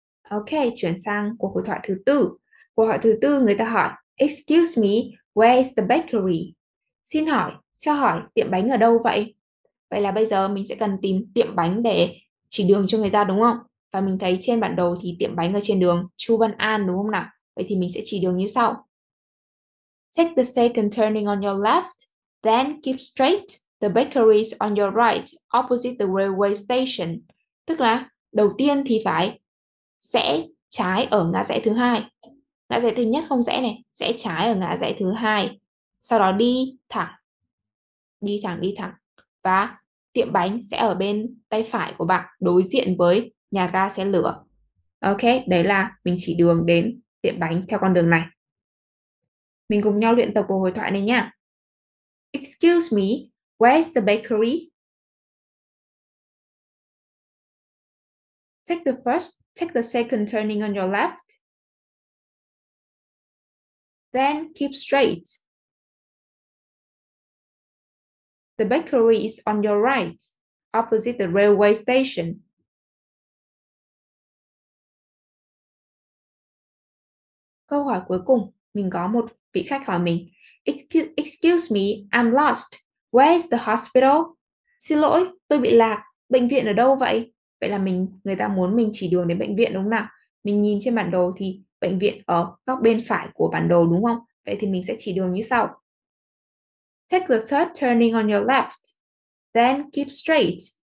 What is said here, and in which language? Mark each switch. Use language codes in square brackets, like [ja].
[vi] Ok, chuyển sang cuộc hội thoại thứ tư. Cuộc hội thoại thứ tư người ta hỏi, [en] "Excuse me, where is the bakery?" [vi] Xin hỏi, cho hỏi tiệm bánh ở đâu vậy? Vậy là bây giờ mình sẽ cần tìm tiệm bánh để chỉ đường cho người ta đúng không? Và mình thấy trên bản đồ thì tiệm bánh ở trên đường Chu Văn An đúng không nào? Vậy thì mình sẽ chỉ đường như sau. [en] Take the second turning on your left, then keep straight. The bakery is on your right, opposite the railway station. [vi] Tức là đầu tiên thì phải rẽ trái ở ngã rẽ thứ hai. Ngã rẽ thứ nhất không rẽ này, rẽ trái ở ngã rẽ thứ hai. Sau đó đi thẳng. Đi thẳng. Và tiệm bánh sẽ ở bên tay phải của bạn, đối diện với nhà ga xe lửa. Ok, đấy là mình chỉ đường đến tiệm bánh theo con đường này. Mình cùng nhau luyện tập của hội thoại này nha. [en] Excuse me, where's the bakery? Take the second turning on your left. Then keep straight. The bakery is on your right, opposite the railway station. [vi] Câu hỏi cuối cùng, mình có một vị khách hỏi mình. [en] Excuse me, I'm lost. Where is the hospital? [vi] Xin lỗi, tôi bị lạc. Bệnh viện ở đâu vậy? Vậy là người ta muốn mình chỉ đường đến bệnh viện đúng không nào? Mình nhìn trên bản đồ thì bệnh viện ở góc bên phải của bản đồ đúng không? Vậy thì mình sẽ chỉ đường như sau. [en] Take the third turning on your left, then keep straight.